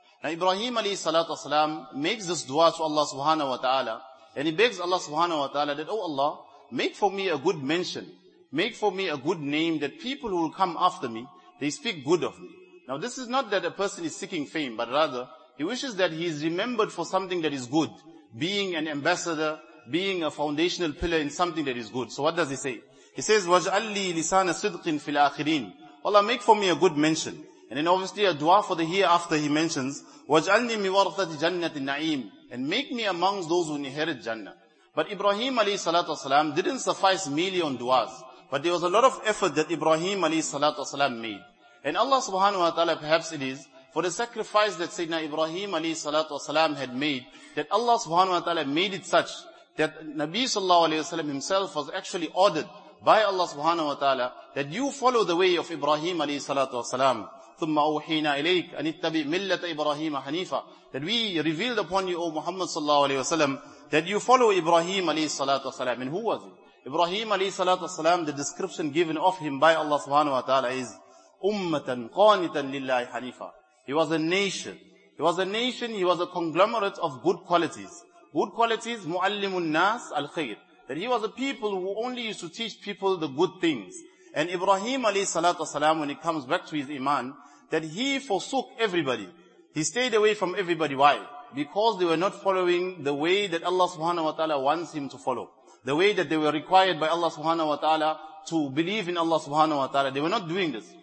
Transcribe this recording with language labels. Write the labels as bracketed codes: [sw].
[en] Now Ibrahim alayhi salatu wasalam makes this dua to Allah subhanahu wa ta'ala, and he begs Allah subhanahu wa ta'ala that, oh Allah, make for me a good mention, make for me a good name, that people who will come after me, they speak good of me. Now this is not that a person is seeking fame, but rather he wishes that he is remembered for something that is good, being an ambassador, being a foundational pillar in something that is good. So what does he say? He says, [ar] وَجْعَلِّي لِسَانَ صِدْقٍ فِي الْآخِرِينَ. [en] Allah, make for me a good mention. And then obviously a dua for the hereafter he mentions, [ar] وَجْعَلْنِي مِوَرْثَةِ جَنَّةِ النَّعِيمِ. [en] and make me amongst those who inherit Jannah. But Ibrahim alayhi salatu wasalam didn't suffice merely on du'as. But there was a lot of effort that Ibrahim alayhi salatu wasalam made. And Allah subhanahu wa ta'ala, perhaps it is for the sacrifice that Sayyidina Ibrahim alayhi salatu wasalam had made, that Allah subhanahu wa ta'ala made it such that Nabi sallallahu alayhi wasalam himself was actually ordered by Allah subhanahu wa ta'ala that you follow the way of Ibrahim alayhi salatu wasalam. [ar] ثُمَّ أُوحِيْنَا إِلَيْكَ أَنِ اتَّبِعْ مِلَّةَ إِبْرَاهِيمَ حَنِيفًا. [en] That we revealed upon you, O Muhammad sallallahu alayhi wa sallam, that you follow Ibrahim alayhi salatu wasalam. And who was he? Ibrahim alayhi salatu wasalam, the description given of him by Allah subhanahu wa ta'ala is [ar] أُمَّةً قَانِتًا لِلَّهِ حَنِيفًا. [en] He was a nation. He was a nation, he was a conglomerate of good qualities. Good qualities, [ar] مُعَلِّمُ النَّاسِ الْخَيْرِ. [en] That he was a people who only used to teach people the good things. And Ibrahim alayhi salatu wasalam, when he comes back to his iman, that he forsook everybody. He stayed away from everybody. Why? Because they were not following the way that Allah subhanahu wa ta'ala wants him to follow. The way that they were required by Allah subhanahu wa ta'ala to believe in Allah subhanahu wa ta'ala. They were not doing this.